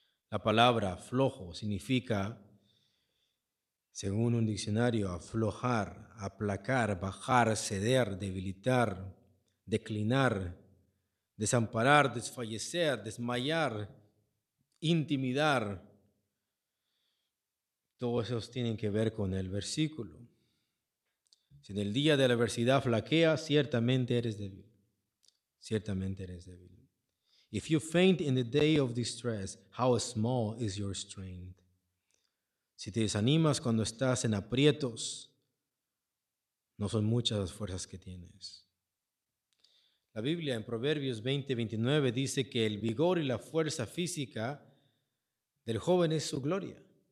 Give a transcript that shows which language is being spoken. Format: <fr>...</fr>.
<es>La palabra flojo significa, según un diccionario, aflojar, aplacar, bajar, ceder, debilitar, declinar, desamparar, desfallecer, desmayar, intimidar. Todos esos tienen que ver con el versículo. Si en el día de la adversidad flaqueas, ciertamente eres débil. Ciertamente eres débil.</es> <en>If you faint in the day of distress, how small is your strength?</en> <es>Si te desanimas cuando estás en aprietos, no son muchas las fuerzas que tienes. La Biblia en Proverbios 20:29 dice que el vigor y la fuerza física del joven es su gloria.</es>